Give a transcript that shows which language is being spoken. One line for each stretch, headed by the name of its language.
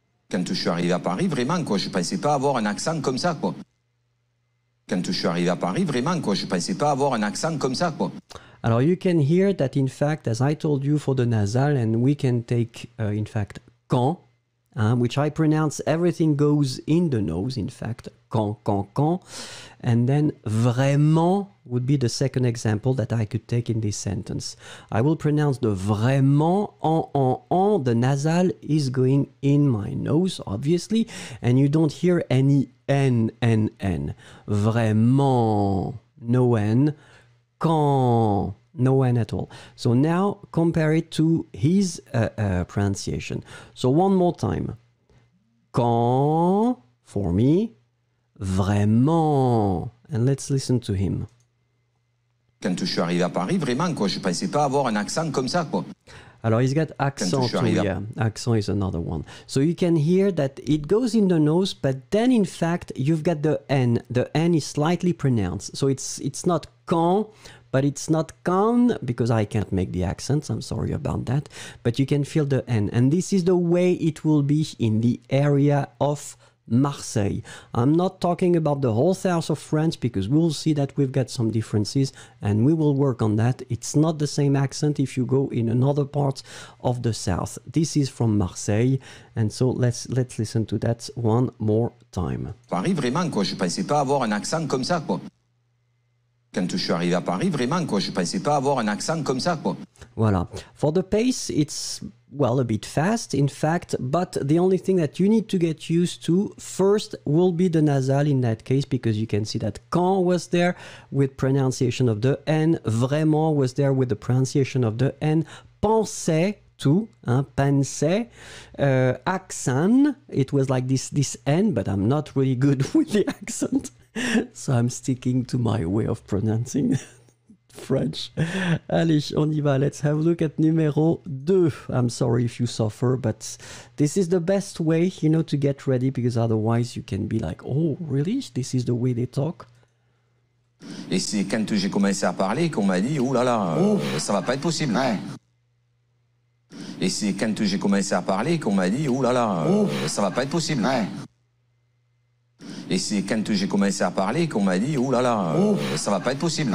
French: Quand je suis arrivé à Paris, vraiment, quoi, je pensais pas avoir un accent comme ça, quoi. Quand je suis arrivé à Paris, vraiment, quoi, je pensais pas avoir un accent comme ça, quoi.
English: Alors, you can hear that, in fact, as I told you for the nasal, and we can take, in fact, quand, which I pronounce, everything goes in the nose, in fact, quand, and then vraiment would be the second example that I could take in this sentence. I will pronounce the vraiment en, the nasal is going in my nose, obviously, and you don't hear any N. Vraiment. No N. Quand. No N at all. So now compare it to his pronunciation. So one more time. Quand for me. Vraiment. And let's listen to him.
French: Quand je suis arrivé à Paris, vraiment, quoi, je pensais pas avoir un accent comme ça, quoi.
English: Alors, he's got accent too, yeah. Accent is another one. So you can hear that it goes in the nose, but then in fact, you've got the N. The N is slightly pronounced. So it's not quand, but it's not quand, because I can't make the accents. I'm sorry about that. But you can feel the N. And this is the way it will be in the area of Marseille. I'm not talking about the whole south of France because we'll see that we've got some differences and we will work on that. It's not the same accent if you go in another part of the south. This is from Marseille, and so let's listen to that one more time.
French: Paris, vraiment, quoi, je pensais pas avoir un accent comme ça, quoi. Quand je suis arrivé à Paris, vraiment, quoi, je pensais pas avoir un accent comme ça, quoi. Voilà.
English: For the pace, it's, well, a bit fast, in fact, but the only thing that you need to get used to first will be the nasal in that case, because you can see that quand was there with pronunciation of the N, vraiment was there with the pronunciation of the N, pensais to, pensais, accent, it was like this N, but I'm not really good with the accent, so I'm sticking to my way of pronouncing French.
French: Allez, on y va.
English: Let's have a look at numéro 2. I'm sorry if you suffer, but this is the best way, you know, to get ready, because otherwise you can be like, oh, really? This is the way they talk?
French: Et c'est quand j'ai commencé à parler qu'on m'a dit, oh là là, ça va pas être possible. Ouais. Et c'est quand j'ai commencé à parler qu'on m'a dit, oh là là, ça va pas être possible. Ouais. Et c'est quand j'ai commencé à parler qu'on m'a dit, oh là là, ça va pas être possible.